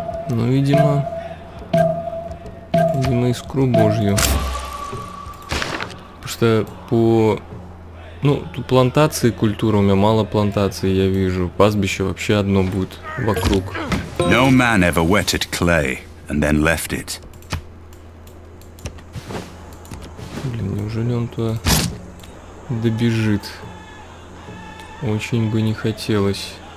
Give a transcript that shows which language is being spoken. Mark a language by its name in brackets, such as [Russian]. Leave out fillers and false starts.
[Russian] Ну, видимо, искру божью. Потому что по... Ну, тут плантации, культура, у меня мало плантаций, я вижу. Пастбище вообще одно будет вокруг. [English] No man ever wetted clay and then left it. [Russian] Блин, неужели он туда добежит? Очень бы не хотелось.